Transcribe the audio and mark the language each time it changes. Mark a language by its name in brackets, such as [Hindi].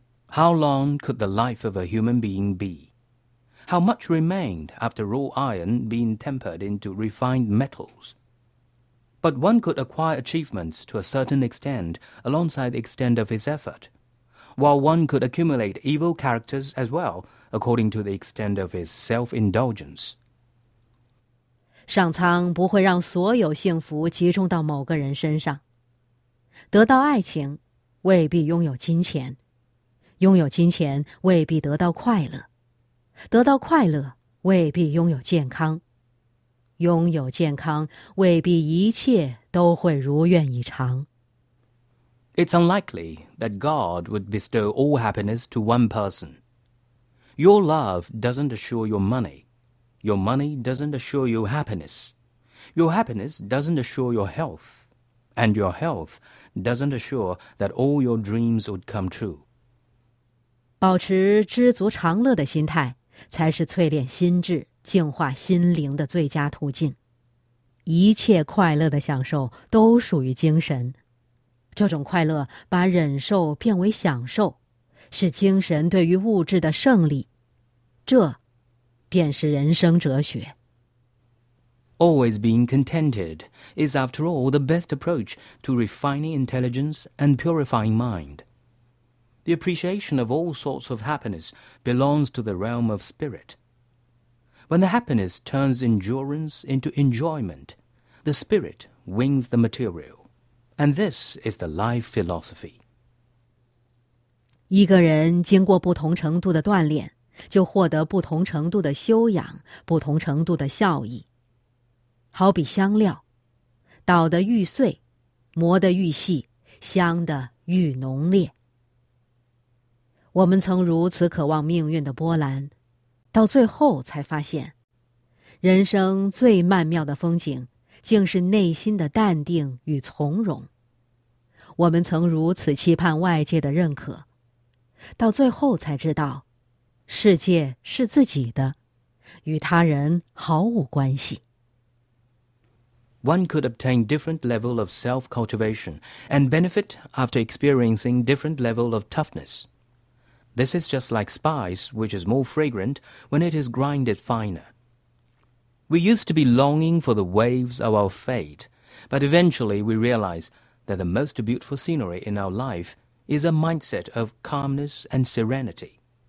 [English] How long could the life of a human being be? How much remained after raw iron being tempered into refined metals? But one could acquire achievements to a certain extent alongside the extent of his effort, while one could accumulate evil characters as well according to the extent of his self-indulgence. [Chinese] 上苍不会让所有幸福集中到某个人身上。得到爱情，未必拥有金钱；拥有金钱，未必得到快乐；得到快乐，未必拥有健康；拥有健康，未必一切都会如愿以偿。 [English] It's unlikely that God would bestow all happiness to one person. Your love doesn't assure your money. Your money doesn't assure you happiness. Your happiness doesn't assure your health. And your health doesn't assure that all your dreams would come true. [Chinese] 保持知足常乐的心态才是淬炼心智、净化心灵的最佳途径。一切快乐的享受都属于精神。这种快乐把忍受变为享受，是精神对于物质的胜利。这便是人生哲学。 [English] Always being contented is, after all, the best approach to refining intelligence and purifying mind. The appreciation of all sorts of happiness belongs to the realm of spirit. When the happiness turns endurance into enjoyment, the spirit wins the material. And this is the life philosophy. [Chinese] 一个人经过不同程度的锻炼，就获得不同程度的修养，不同程度的效益。好比香料，捣得愈碎，磨得愈细，香得愈浓烈。我们曾如此渴望命运的波澜，到最后才发现，人生最曼妙的风景，竟是内心的淡定与从容。我们曾如此期盼外界的认可，到最后才知道世界是自己的，与他人毫无关系。 [English] One could obtain different level of self-cultivation and benefit after experiencing different level of toughness. This is just like spice, which is more fragrant when it is grinded finer. We used to be longing for the waves of our fate, but eventually we realize that the most beautiful scenery in our life is a mindset of calmness and serenity.